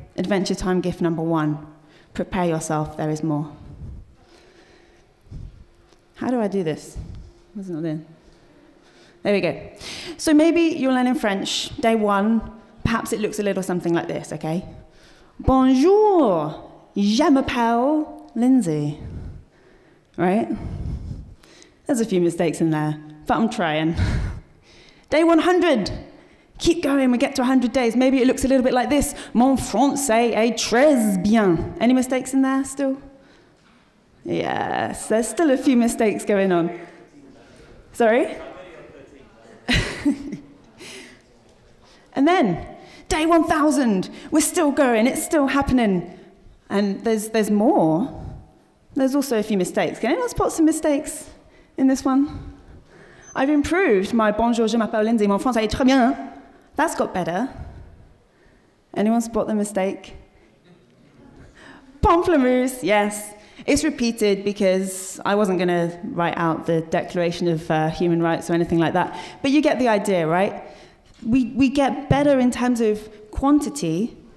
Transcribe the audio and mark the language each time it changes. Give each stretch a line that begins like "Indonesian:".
English: Adventure Time gift number one. Prepare yourself, there is more. How do I do this? What's not there? There we go. So maybe you're learning French, day one. Perhaps it looks a little something like this, okay?
French: Bonjour, je m'appelle Lindsay.
English: Right? There's a few mistakes in there, but I'm trying. Day 100. Keep going, we get to 100 days. Maybe it looks a little bit like this.
French: Mon français est très bien.
English: Any mistakes in there still? Yes, there's still a few mistakes going on. Sorry? And then, day 1000. We're still going, it's still happening. And there's more. There's also a few mistakes. Can anyone spot some mistakes in this one? I've improved my
French: bonjour, je m'appelle Lindsay, mon français est très bien.
English: That's got better. Anyone spot the mistake? Pamplemousse, yes. It's repeated because I wasn't gonna write out the Declaration of Human Rights or anything like that. But you get the idea, right? We get better in terms of quantity.